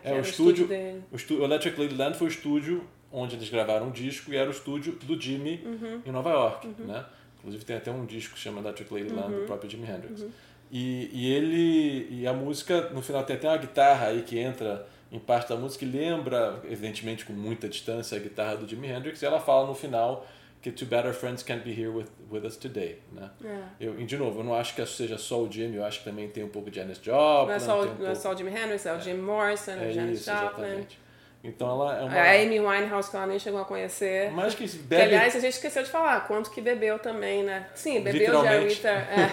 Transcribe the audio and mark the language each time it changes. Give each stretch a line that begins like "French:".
Portuguese: Que era o estúdio, o Electric Ladyland foi o estúdio onde eles gravaram um disco e era o estúdio do Jimmy em Nova York, né? Inclusive tem até um disco que se chama Electric Ladyland do próprio Jimi Hendrix. E a música, no final tem até uma guitarra aí que entra em parte da música e lembra, evidentemente com muita distância, a guitarra do Jimi Hendrix e ela fala no final...
English: Que two better friends can't be here with us today, né?
Portuguese: De novo, eu não acho que seja só o Jimmy, eu acho que também tem um pouco de Janis Joplin. Não é só o Jimmy Hendrix, é o Jim Morrison, o Janis Joplin. Exatamente. Então ela é uma... A Amy Winehouse, que ela nem chegou a conhecer. Mas que deve... Que, aliás, a gente esqueceu de falar, quanto que bebeu também, né? Sim, bebeu já, Rita.